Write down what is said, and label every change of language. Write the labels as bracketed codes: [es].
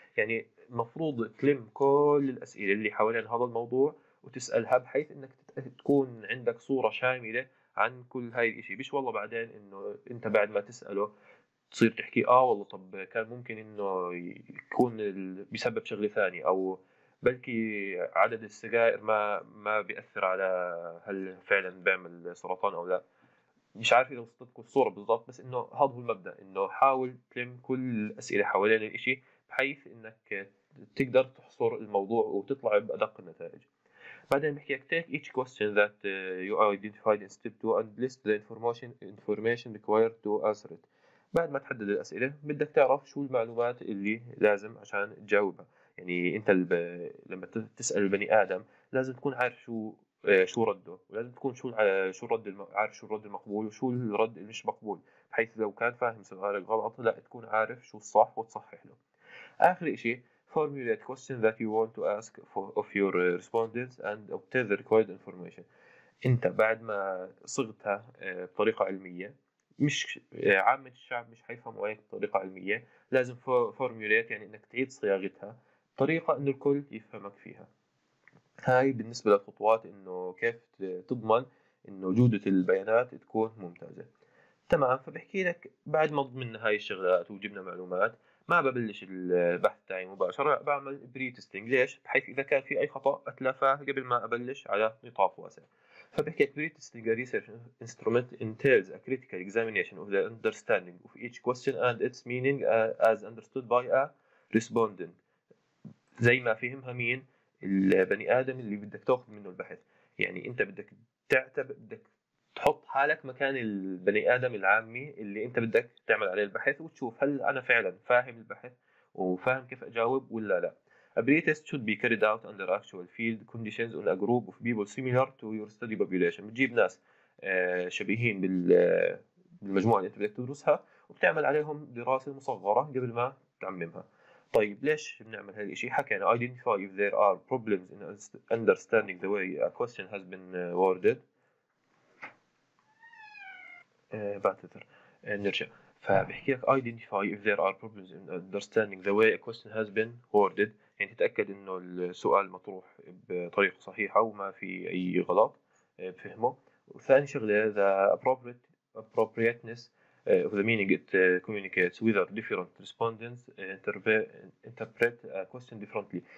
[ar] يعني مفروض تلم كل الاسئله اللي حوالين هذا الموضوع وتسالها بحيث انك تكون عندك صوره شامله عن كل هاي الاشي، مش والله بعدين انه انت بعد ما تساله تصير تحكي والله طب كان ممكن انه يكون بيسبب شغله ثانيه، او بلكي عدد السجائر ما بياثر على هل فعلا بيعمل سرطان او لا. مش عارف اذا وصلتكم الصوره بالضبط، بس انه هذا هو المبدا، انه حاول تلم كل الاسئله حوالين الاشي بحيث انك تقدر تحصر الموضوع وتطلع بادق النتائج. بعدين بحكي لك [en] take each question that you identified in step 2 and list the information required to answer it. [ar] بعد ما تحدد الاسئله بدك تعرف شو المعلومات اللي لازم عشان تجاوبها. يعني انت لما تسال البني ادم لازم تكون عارف شو رده، ولازم تكون عارف شو الرد المقبول وشو الرد المش مقبول، بحيث لو كان فاهم سؤالك غلط لا تكون عارف شو الصح وتصحح له. اخر شيء [en] formulate question that you want to ask of your respondents and obtain the required information. [ar] انت بعد ما صغتها بطريقه علميه، مش عامة الشعب مش حيفهموا هيك بطريقه علميه، لازم formulate يعني انك تعيد صياغتها طريقة انه الكل يفهمك فيها. هاي بالنسبة للخطوات انه كيف تضمن انه جودة البيانات تكون ممتازة. تمام، فبحكي لك بعد ما ضمننا هاي الشغلات وجبنا معلومات ما ببلش البحث تاعي مباشرة، بعمل بريتستينج. ليش؟ بحيث اذا كان في اي خطأ اتلافاه قبل ما ابلش على نطاق واسع. [en] فبحكي لك pretesting research instrument entails a critical examination of the understanding of each question and its meaning as understood by a respondent. [ar] زي ما فهمها مين؟ البني آدم اللي بدك تأخذ منه البحث. يعني أنت بدك بدك تحط حالك مكان البني آدم العامي اللي أنت بدك تعمل عليه البحث وتشوف هل أنا فعلا فاهم البحث وفاهم كيف أجاوب ولا لا. [en] A pre-test should be carried out under actual field conditions on a group of people similar to your study population. [ar] بتجيب ناس شبيهين بالمجموعة اللي أنت بدك تدرسها وبتعمل عليهم دراسة مصغرة قبل ما تعممها. طيب ليش بنعمل هالشيء؟ حكينا [en] identify if there are problems in understanding the way a question has been worded. [ar] نرجع. فبحكي لك [en] identify if there are problems in understanding the way a question has been worded. [ar] يعني تتأكد إنه السؤال مطروح بطريقة صحيحة وما في أي غلط بفهمه. وثاني شغلة [en] appropriateness of the meaning it communicates whether different respondents interpret a question differently.